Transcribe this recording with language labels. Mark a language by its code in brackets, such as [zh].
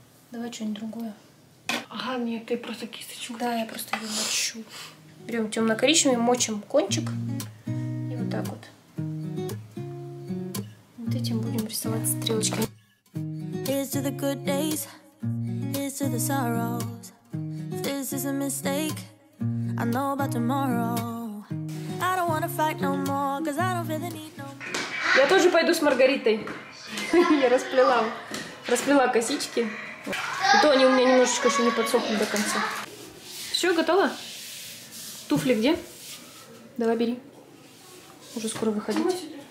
[ru] Давай что-нибудь другое. Ага, нет, ты просто кисточку. Да, я просто ее мочу. Берем темно-коричневый, мочим кончик. И вот так вот. [en] Here's to the good days, here's to the sorrows. If this is a mistake, I know about tomorrow. I don't wanna fight no more, cause I don't feel the need no more. [ru] Я тоже пойду с Маргаритой. Я расплела косички. То они у меня немножечко еще не подсохли до конца. Все, готово? Туфли где? Давай бери. Уже скоро выходить.